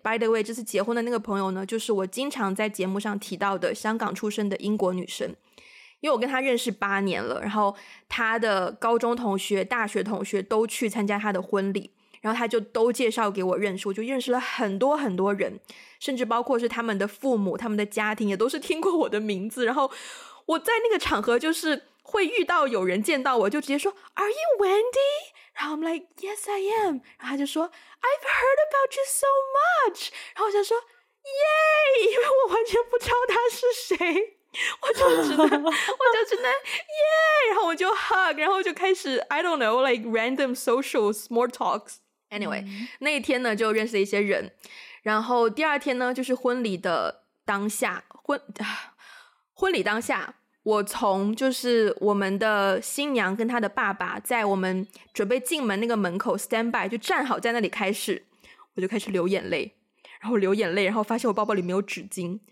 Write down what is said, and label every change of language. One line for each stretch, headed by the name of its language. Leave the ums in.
English: By the way，
Chinese: 这次结婚的那个朋友呢，就是我经常在节目上提到的香港出生的英国女生，因为我跟她认识八年了，然后她的高中同学、大学同学都去参加她的婚礼，然后他就都介绍给我认识，我就认识了很多很多人。甚至包括是他们的父母、他们的家庭也都是听过我的名字。然后我在那个场合就是会遇到有人见到我就直接说，
English: Are you Wendy？
Chinese: 然后我
English: like Yes I am。
Chinese: 然后他就说，
English: I've heard about you so much。
Chinese: 然后我就说 y a 因为我完全不知道他是谁，我就只能， 我就只能 y a 然后我就 hug，然后就开始
English: I don't know like random social small talks anyway,、
Chinese: mm。
English: Anyway，、hmm.
Chinese: 那一天呢就认识了一些人。然后第二天呢，就是婚礼的当下，婚、啊、婚礼当下，我从就是我们的新娘跟她的爸爸在我们准备进门那个门口 stand by 就站好在那里开始，我就开始流眼泪，然后流眼泪，然后发现我包包里没有纸巾。